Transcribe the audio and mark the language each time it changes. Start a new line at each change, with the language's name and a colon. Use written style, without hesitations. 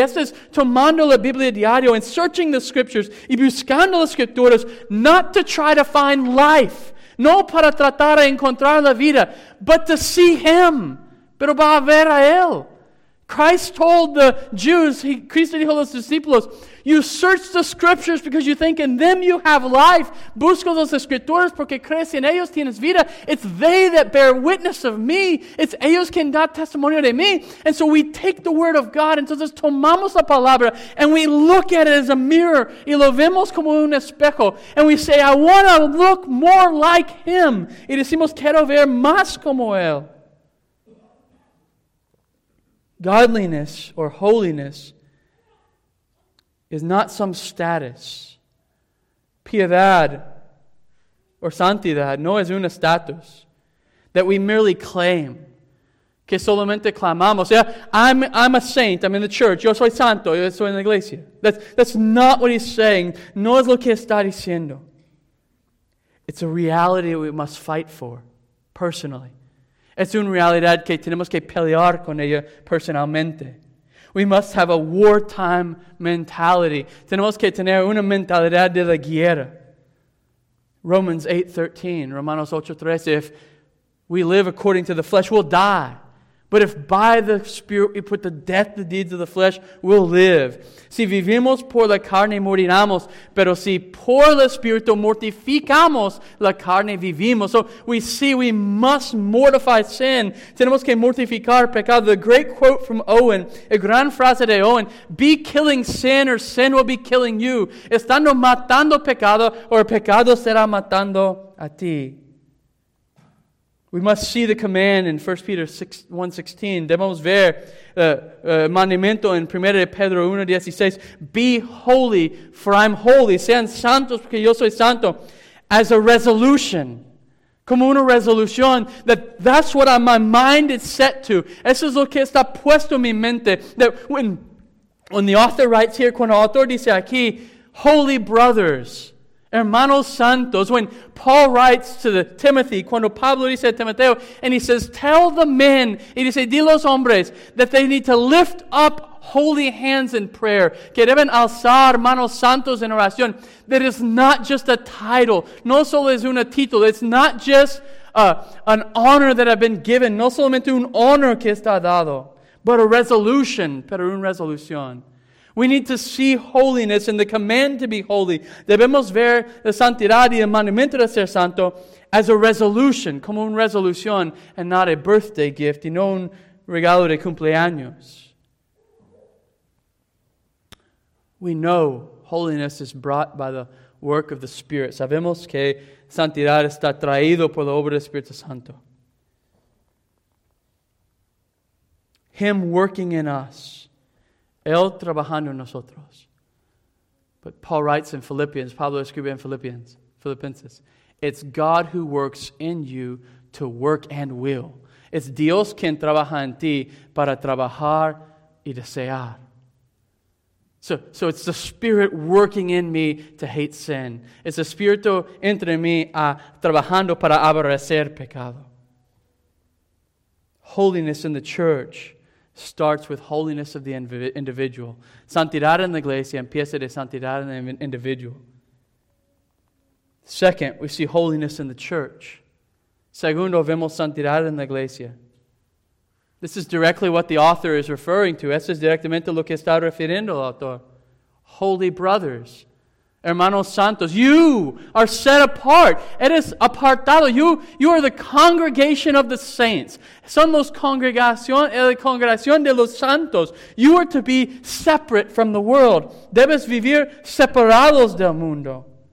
Spanish: Esto es tomando la Biblia diario
English: and searching the Scriptures
Spanish: y buscando las Escrituras,
English: not to try to find life,
Spanish: no para tratar de encontrar la vida,
English: but to see Him.
Spanish: Pero va a ver a Él.
English: Christ told the Jews,
Spanish: Cristo dijo a los discípulos,
English: you search the Scriptures because you think in them you have life.
Spanish: Busco las Escrituras porque crees en ellos tienes vida.
English: It's they that bear witness of me. It's
Spanish: ellos quien da testimonio de mí.
English: And so we take the Word of God,
Spanish: entonces tomamos la palabra,
English: and we look at it as a mirror,
Spanish: y lo vemos como un espejo.
English: And we say, I want to look more like Him.
Spanish: Y decimos, quiero ver más como Él.
English: Godliness or holiness is not some status.
Spanish: Piedad or santidad no es un estatus
English: that we merely claim.
Spanish: Que solamente clamamos.
English: Yeah, I'm a saint. I'm in the church.
Spanish: Yo soy santo. Yo soy en la iglesia.
English: That's not what he's saying.
Spanish: No es lo que está diciendo.
English: It's a reality we must fight for personally.
Spanish: Es una realidad que tenemos que pelear con ella personalmente.
English: We must have a wartime mentality.
Spanish: Tenemos que tener una mentalidad de la guerra. Romanos 8:13.
English: If we live according to the flesh, we'll die. But if by the Spirit we put to death the deeds of the flesh, we'll live.
Spanish: Si vivimos por la carne, moriramos. Pero si por el Espíritu mortificamos la carne, vivimos.
English: So we see we must mortify sin.
Spanish: Tenemos que mortificar pecado.
English: The great quote from Owen,
Spanish: a gran frase de Owen,
English: be killing sin or sin will be killing you.
Spanish: Estando matando pecado o pecado será matando a ti.
English: We must see the command in 1 Peter 1:16.
Spanish: Debemos ver el mandamiento en 1 Pedro 1:16.
English: Be holy, for I'm holy.
Spanish: Sean santos, porque yo soy santo.
English: As a resolution.
Spanish: Como una resolución.
English: That's what my mind is set to.
Spanish: Eso es lo que está puesto en mi mente.
English: That when the author writes here,
Spanish: cuando el autor dice aquí,
English: holy brothers,
Spanish: hermanos santos,
English: when Paul writes to Timothy,
Spanish: cuando Pablo dice a Timoteo,
English: and he says, tell the men,
Spanish: y dice, di los hombres,
English: that they need to lift up holy hands in prayer.
Spanish: Que deben alzar manos santos en oración.
English: That is not just a title.
Spanish: No solo es un título.
English: It's not just an honor that I've been given.
Spanish: No solamente un honor que está dado.
English: But a resolution.
Spanish: Pero una resolución.
English: We need to see holiness and the command to be holy.
Spanish: Debemos ver la santidad y el mandamiento de ser santo
English: as a resolution,
Spanish: como una resolución,
English: and not a birthday gift,
Spanish: y no un regalo de cumpleaños.
English: We know holiness is brought by the work of the Spirit.
Spanish: Sabemos que santidad está traído por la obra del Espíritu Santo.
English: Him working in us.
Spanish: Él trabajando en nosotros.
English: But Paul writes in Philippians,
Spanish: Pablo escribe en Filipenses,
English: it's God who works in you to work and will. It's
Spanish: Dios quien trabaja en ti para trabajar y desear.
English: So it's the Spirit working in me to hate sin. It's the
Spanish: Espíritu entre mí trabajando para aborrecer pecado.
English: Holiness in the church starts with holiness of the individual.
Spanish: Santidad en la iglesia empieza de santidad en el individual.
English: Second, we see holiness in the church.
Spanish: Segundo, vemos santidad en la iglesia.
English: This is directly what the author is referring to.
Spanish: Esto es directamente lo que está refiriendo el autor.
English: Holy brothers.
Spanish: Hermanos santos,
English: you are set apart.
Spanish: Eres apartado.
English: You are the congregation of the saints.
Spanish: Son los congregación, la congregación de los santos.
English: You are to be separate from the world.
Spanish: Debes vivir separados del mundo.